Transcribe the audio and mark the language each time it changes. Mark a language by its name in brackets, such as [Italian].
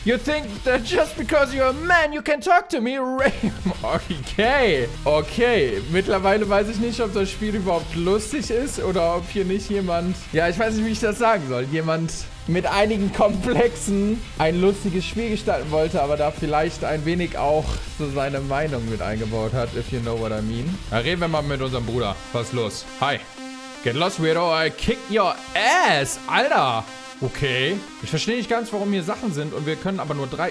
[English] You think that just because you're a man, you can talk to me, Rame? Okay. Okay. [German] Mittlerweile weiß ich nicht, ob das Spiel überhaupt lustig ist oder ob hier nicht jemand... Ja, ich weiß nicht, wie ich das sagen soll. Jemand mit einigen Komplexen ein lustiges Spiel gestalten wollte, aber da vielleicht ein wenig auch so seine Meinung mit eingebaut hat, [English] if you know what I mean. [German] Na, reden wir mal mit unserem Bruder. Was ist los? Hi. [English] Get lost, weirdo, I kick your ass, Alter. Okay. [German] Ich verstehe nicht ganz, warum hier Sachen sind und wir können aber nur drei...